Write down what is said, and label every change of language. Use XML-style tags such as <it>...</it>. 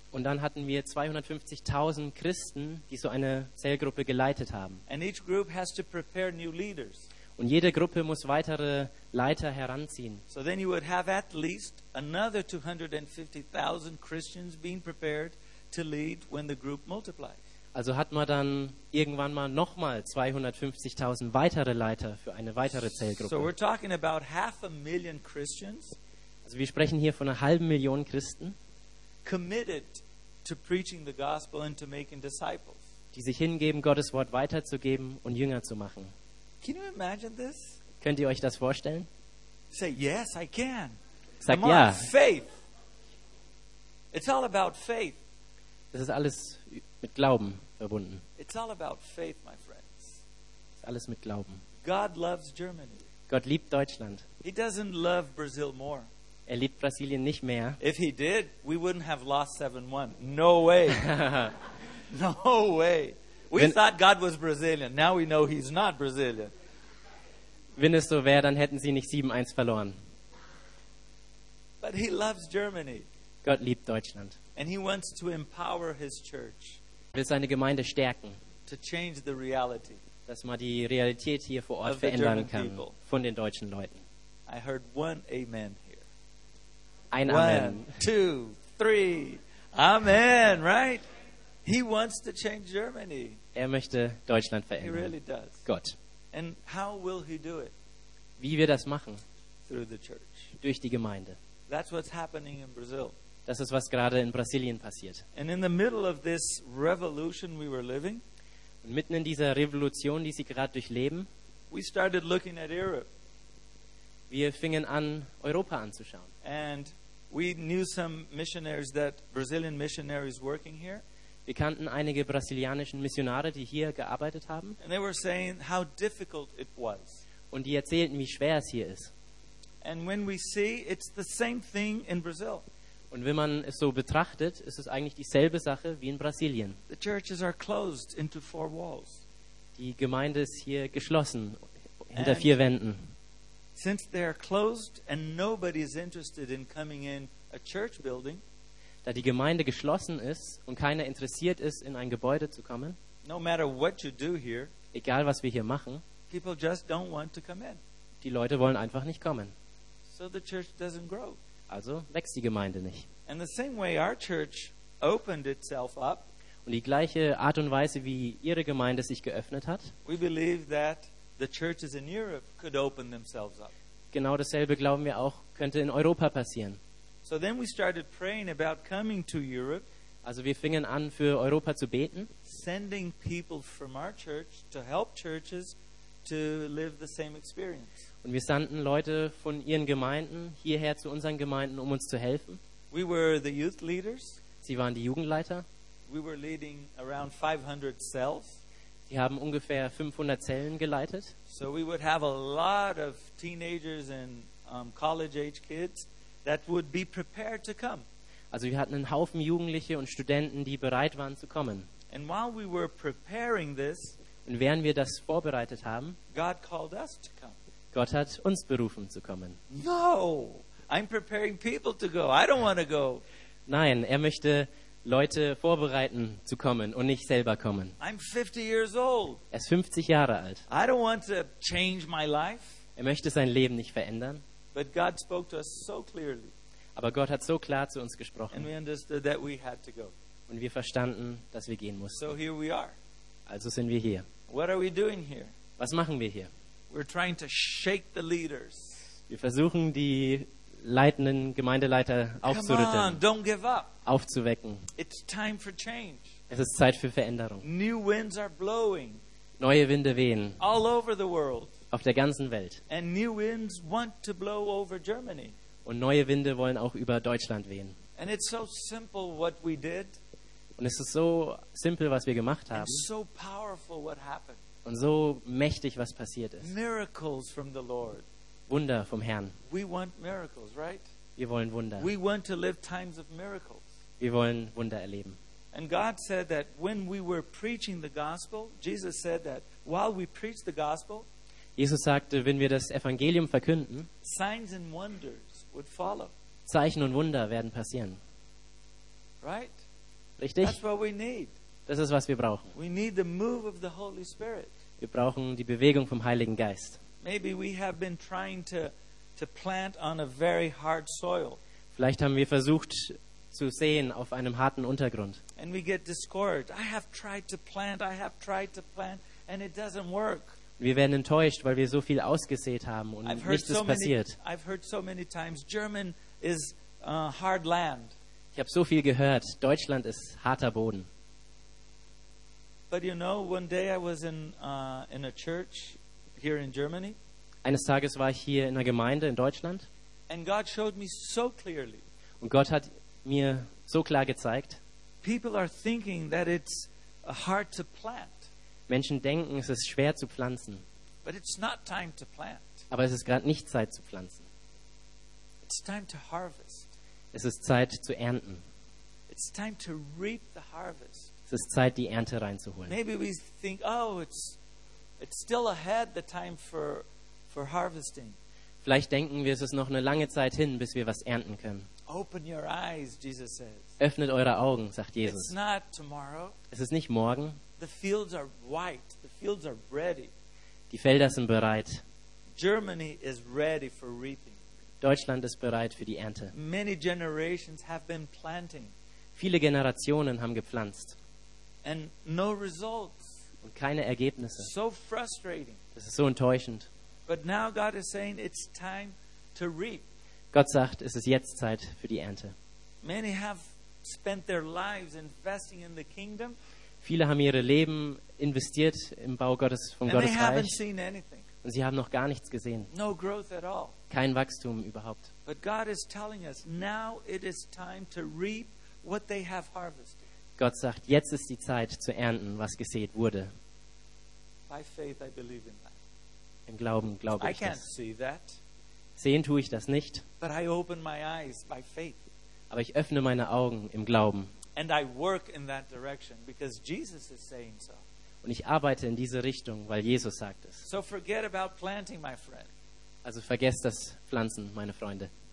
<de>Und dann hatten wir 250,000 Christen, die so eine Zellgruppe geleitet haben.</de> <en>And each group has to prepare new leaders.</en> <de>Und jede Gruppe muss weitere Leiter heranziehen.</de> <en>So then you would have at least another 250,000 Christians being prepared to lead when the group multiplies.</en> <de>Also hat man dann irgendwann mal nochmal 250.000 weitere Leiter für eine weitere Zellgruppe.</de> <en>So we're talking about half a million Christians.</en> <de>Also wir sprechen hier von 500.000 Christen,</de> <en>committed to preaching the gospel and to making disciples.</en> <de>Die sich hingeben, Gottes Wort weiterzugeben und Jünger zu machen.</de> <en>Can you imagine this?</en> <de>Könnt ihr euch das vorstellen?</de> <en>Say yes, I can.</en> <de>Sagt ja.</de> <en>Faith. It's all about faith.</en> <de>Das ist alles mit Glauben verbunden.</de> <en>It's all about faith, my friends.</en> <de>Ist alles mit Glauben.</de> <en>God loves Germany.</en> <de>Gott liebt Deutschland.</de> <en>He doesn't love Brazil more.</en> <de>Er liebt Brasilien nicht mehr.</de> <en>If he did, we wouldn't have lost 7-1. No way. No way. We thought God was Brazilian. Now we know he's not Brazilian.</en> <de>Wenn es so wäre, dann hätten sie nicht 7-1 verloren.</de> <en>But he loves Germany.</en> <de>Gott liebt Deutschland.</de> <en>And he wants to empower his church.</en> <de>Will seine Gemeinde stärken.</de> <en>To change the reality.</en> <de>Dass man die Realität hier vor Ort verändern kann von den deutschen Leuten.</de> <en>I heard one amen here.</en> <de>Ein</de> <en>one, Amen. 1, 2, 3. Amen, right? He wants to change Germany.</en> <de>Er möchte Deutschland verändern.</de> <en>He really does.</en> <de>Gott.</de> <en>And how will he do it?</en> <de>Wie wird das machen?</de> <en>Through the church.</en> <de>Durch die Gemeinde.</de> <en>That's what's happening in Brazil.</en> <de>Das ist, was gerade in Brasilien passiert.</de> <en>And in the middle of this revolution we were living,</en> <de>und mitten in dieser Revolution, die sie gerade durchleben,</de> <en>we started looking at Europe.</en> <de>Wir fingen an, Europa anzuschauen.</de> <en>And we knew some missionaries that Brazilian missionaries working here.</en> <de>Wir kannten einige brasilianischen Missionare, die hier gearbeitet haben.</de> <en>And they were saying how difficult it was.</en> <de>Und die erzählten, wie schwer es hier ist.</de> <en>And when we see, it's the same thing in Brazil.</en> <de>Und wenn man es so betrachtet, ist es eigentlich dieselbe Sache wie in Brasilien.</de> <en>The churches are closed into four walls.</en> <de>Die Gemeinde ist hier geschlossen, hinter and vier Wänden.</de> <en>Since they are closed and nobody is interested in coming in a church building,</en> <de>da die Gemeinde geschlossen ist und keiner interessiert ist, in ein Gebäude zu kommen,</de> <en>no matter what you do here,</en> <de>egal was wir hier machen,</de> <en>people just don't want to come in.</en> <de>Die Leute wollen einfach nicht kommen.</de> <en>So the church doesn't grow.</en> <de>Also wächst die Gemeinde nicht.</de> <en>And the same way our church opened itself up,</en> <de>und die gleiche Art und Weise, wie ihre Gemeinde sich geöffnet hat,</de> <en>we believe that the churches in Europe could open themselves up.</en> <de>Genau dasselbe glauben wir auch, könnte in Europa passieren.</de> <en>So then we started praying about coming to Europe,</en> <de>also wir fingen an, für Europa zu beten,</de> <en>sending people from our church to help churches to live the same experience.</en> <de>Und wir sandten Leute von ihren Gemeinden hierher zu unseren Gemeinden, um uns zu helfen.</de> <en>We were the youth leaders.</en> <de>Sie waren die Jugendleiter.</de> <en>We were leading around 500 cells.</en> <de>Sie haben ungefähr 500 Zellen geleitet.</de> <en>So we would have a lot of teenagers and college-age kids that would be prepared to come.</en> <de>Also wir hatten einen Haufen Jugendliche und Studenten, die bereit waren zu kommen.</de> <en>And while we were preparing this,</en> <de>und während wir das vorbereitet haben,</de> <en>God called us to come.</en> <de>Gott hat uns berufen zu kommen.</de> <en>No, I'm preparing people to go. I don't want to go.</en> <de>Nein, er möchte Leute vorbereiten zu kommen und nicht selber kommen.</de> <en>I'm 50 years old.</en> <de>Er ist 50 Jahre alt.</de> <en>I don't want to change my life.</en> <de>Er möchte sein Leben nicht verändern.</de> <en>But God spoke to us so clearly.</en> <de>Aber Gott hat so klar zu uns gesprochen.</de> <en>And we understood that we had to go.</en> <de>Und wir verstanden, dass wir gehen mussten.</de> <en>So here we are.</en> <de>Also sind wir hier.</de> <en>What are we doing here?</en> <de>Was machen wir hier?</de> <en>We're trying to shake the leaders.</en> <de>Wir versuchen, die leitenden Gemeindeleiter aufzurütteln.</de> <en>Come on, don't give up.</en> <de>Aufzuwecken.</de> <en>It's time for change.</en> <de>Es ist Zeit für Veränderung.</de> <en>New winds are blowing.</en> <de>Neue Winde wehen.</de> <en>All over the world.</en> <de>Auf der ganzen Welt.</de> <en>And new winds want to blow over Germany.</en> <de>Und neue Winde wollen auch über Deutschland wehen.</de> <en>And it's so simple what we did.</en> <de>Und es ist so simpel, was wir gemacht haben.</de> <en>And so powerful what happened.</en> <de>Und so mächtig, was passiert ist.</de> <en>Miracles from the Lord.</en> <de>Wunder vom Herrn.</de> <en>We want miracles, right?</en> <de>Wir wollen Wunder.</de> <en>We want to live times of miracles.</en> <de>Wir wollen Wunder erleben.</de> <en>And God said that when we were preaching the gospel, Jesus said that while we preach the gospel,</en> <de>Jesus sagte, wenn wir das Evangelium verkünden,</de> <en>signs and wonders would follow.</en> <de>Zeichen und Wunder werden passieren.</de> <en>Right?</en> <de>Richtig?</de> <en>That's what we need.</en> <de>Das ist, was wir brauchen.</de> <en>We need the move of the Holy Spirit.</en> <de>Wir brauchen die Bewegung vom Heiligen Geist.</de> <en>Maybe we have been trying to plant on a very hard soil.</en> <de>Vielleicht haben wir versucht zu säen auf einem harten Untergrund.</de> <en>And we get discouraged. I have tried to plant and it doesn't work.</en> <de>Wir werden enttäuscht, weil wir so viel ausgesät haben und nichts ist passiert.</de> <en>I've heard so many times German is hard land.</en> <de>Ich habe so viel gehört, Deutschland ist harter Boden.</de> <en>But you know, one day I was in a church here in Germany.</en> <de>Eines Tages war ich hier in einer Gemeinde in Deutschland.</de> <en>And God showed me so clearly.</en> <de>Und Gott hat mir so klar gezeigt.</de> <en>People are thinking that it's hard to plant.</en> <de>Menschen denken, es ist schwer zu pflanzen.</de> <en>But it's not time to plant.</en> <de>Aber es ist gerade nicht Zeit zu pflanzen.</de> <en>It's time to harvest.</en> <de>Es ist Zeit zu ernten.</de> <en>It's time to reap the harvest.</en> <de>Es ist Zeit, die Ernte reinzuholen.</de> <en>Maybe we think, oh, it's still ahead the time for harvesting.</en> <de>Vielleicht denken wir, es ist noch eine lange Zeit hin, bis wir was ernten können.</de> <en>Open your eyes, Jesus says.</en> <de>Öffnet eure Augen, sagt Jesus.</de> <en>It's not tomorrow.</en> <de>Es ist nicht morgen.</de> <en>The fields are white. The fields are ready.</en> <de>Die Felder sind bereit.</de> <en>Germany is ready for reaping.</en> <de>Deutschland ist bereit für die Ernte.</de> <en>Many generations have been planting.</en> <de>Viele Generationen haben gepflanzt.</de> <en>And no results.</en> <de>Und keine Ergebnisse.</de> <en>So frustrating.</en> <de>Das ist so enttäuschend.</de> <en>But now God is saying it's time to reap.</en> <de>Gott sagt, es ist jetzt Zeit für die Ernte.</de> <en>Many have spent their lives investing in the kingdom.</en> <de>Viele haben ihre Leben investiert im Bau Gottes von Gottes Reich.</de> <en>And they haven't seen anything.</en> <de>Und sie haben noch gar nichts gesehen.</de> <en>No growth at all.</en> <de>Kein Wachstum überhaupt.</de> <en>But God is telling us now it is time to reap what they have harvested.</en> <de>Gott sagt, jetzt ist die Zeit zu ernten, was gesät wurde.</de> <en>By faith I believe in that.</en> <de>Im Glauben glaube ich</de> <en>I can't</en> <de>das.</de> <en>See that.</en> <de>Sehen tue ich das nicht.</de> <en>But I open my eyes by faith.</en> <de>Aber ich öffne meine Augen im Glauben.</de> <en>And I work in that direction because Jesus is saying so.</en> <de>Und ich arbeite in diese Richtung, weil Jesus sagt es.</de> <en>So forget about planting, my friend.</en> <de>Also vergesst das Pflanzen, meine Freunde.</de>